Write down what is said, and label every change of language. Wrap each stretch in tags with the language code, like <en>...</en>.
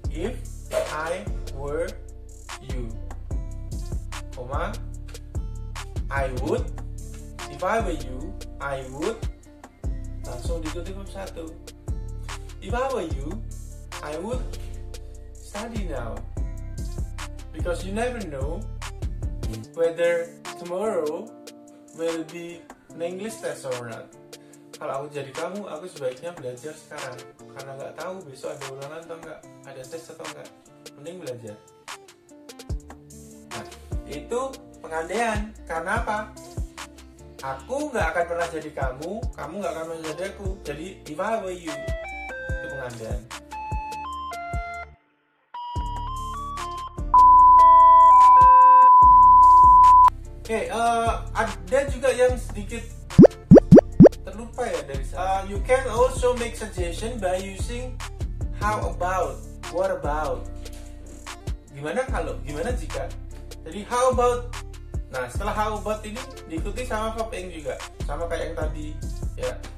<en>If I were you, if I were you, I would</en> <id>langsung dikutip satu.</id> <en>If I were you, I would study now, because you never know whether tomorrow will be an English test or not.</en> <id>Kalau aku jadi kamu, aku sebaiknya belajar sekarang, karena gak tahu besok ada ulangan atau enggak, ada tes atau enggak, mending belajar. Nah, itu pengandaian. Karena apa? Aku gak akan pernah jadi kamu, kamu gak akan pernah jadi aku. Jadi</id> <en>if I were you,</en> <id>itu pengandaian. Oke, ada juga yang sedikit terlupa ya dari saya.</id> <en>You can also make suggestion by using how about, what about.</en> <id>Gimana kalau, gimana jika. Jadi</id> <en>how about.</en> <id>Nah, setelah</id> <en>how about</en> <id>ini diikuti sama popping juga, sama kayak yang tadi ya.</id>